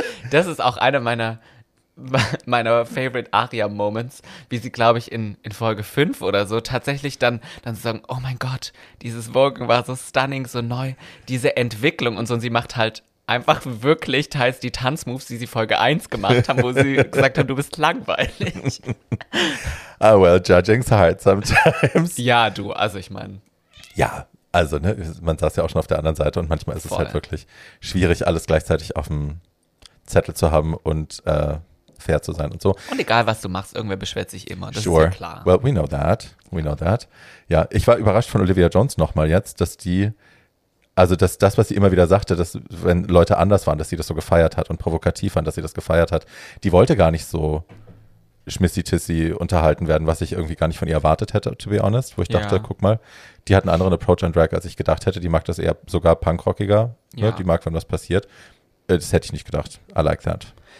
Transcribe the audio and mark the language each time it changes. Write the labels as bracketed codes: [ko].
[de] Das ist auch einer meiner favorite Aria-Moments, wie sie, glaube ich, in Folge 5 oder so tatsächlich dann sagen, oh mein Gott, dieses Vogue war so stunning, so neu, diese Entwicklung und so. Und sie macht halt einfach wirklich teils die Tanzmoves, die sie Folge 1 gemacht haben, wo sie gesagt haben, du bist langweilig. [en] Ah, well, judging's hard sometimes. [de] Ja, du, also ich meine. Ja, also ne, man saß ja auch schon auf der anderen Seite und manchmal ist es halt wirklich schwierig, alles gleichzeitig auf dem Zettel zu haben und fair zu sein und so. Und egal, was du machst, irgendwer beschwert sich immer, das ist ja klar. [en] Well, we know that. We know that. [de] Ja, ich war überrascht von Olivia Jones nochmal jetzt, dass die, also dass das, was sie immer wieder sagte, dass wenn Leute anders waren, dass sie das so gefeiert hat und provokativ waren, dass sie das gefeiert hat, die wollte gar nicht so schmissi-tissi unterhalten werden, was ich irgendwie gar nicht von ihr erwartet hätte, [en] to be honest, [de] wo ich dachte, guck mal, die hat einen anderen Approach an Drag, als ich gedacht hätte, die mag das eher sogar punkrockiger, ne? Die mag, wenn was passiert. Das hätte ich nicht gedacht. [en] I like that.